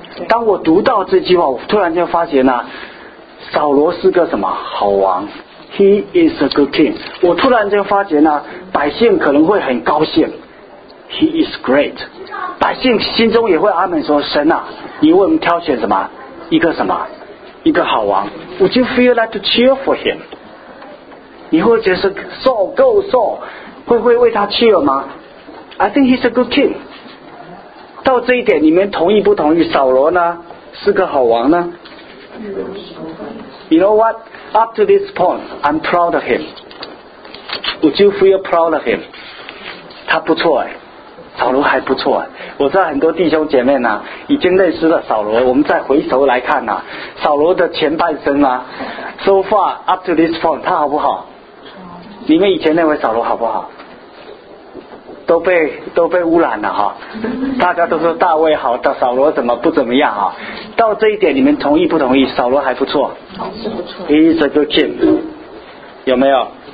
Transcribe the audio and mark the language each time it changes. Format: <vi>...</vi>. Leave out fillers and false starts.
<zh>当我读到这句话，我突然间发觉呢，扫罗是个什么好王 ？</zh> <en>He is a good king。</en> <zh>我突然间发觉呢，百姓可能会很高兴 ，</zh> <en>He is great。</en> <zh>百姓心中也会阿们说：“神啊，你为我们挑选什么一个什么一个好王 ？”</zh> <en>Would you feel like to cheer for him？</en> <zh>你会觉得是 so go so， 会为他 cheer 吗 ？</zh> <en>I think he's a good king。</en> <zh>到这一点，你们同意不同意？扫罗呢是个好王呢？</zh> <en>You know what? Up to this point, I'm proud of him. Would you feel proud of him?</en> <zh>他不错哎，扫罗还不错哎。我知道很多弟兄姐妹呢，已经认识了扫罗。我们再回头来看呢，扫罗的前半生啊 ，</zh> <en>so far up to this point，</en> <zh>他好不好？你们以前认为扫罗好不好？都被污染了哈，大家都说大卫好，但扫罗怎么不怎么样啊？到这一点你们同意不同意？扫罗还不错，还是不错。</zh> <en>He is a good king，</en> <zh>有没有？</zh>